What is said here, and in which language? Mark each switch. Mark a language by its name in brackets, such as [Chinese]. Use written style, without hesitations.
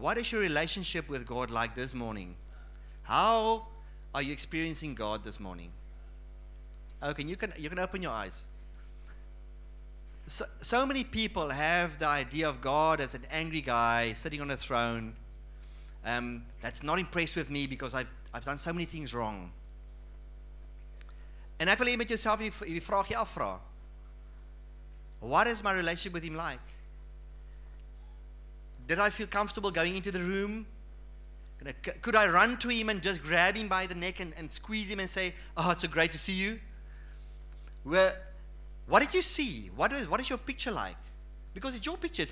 [English] What is your relationship with God like this morning? How are you experiencing God this morning? Okay, you can open your eyes. So many people have the idea of God as an angry guy sitting on a throne that's not impressed with me because I've done so many things wrong. [Afrikaans] En ek wil hier met jouself die vraagje afvra. [English] What is my relationship with him like? Did I feel comfortable going into the room? Could I run to him and just grab him by the neck and squeeze him and say, oh, it's so great to see you? What did you see? What is your picture like? Because it's your picture.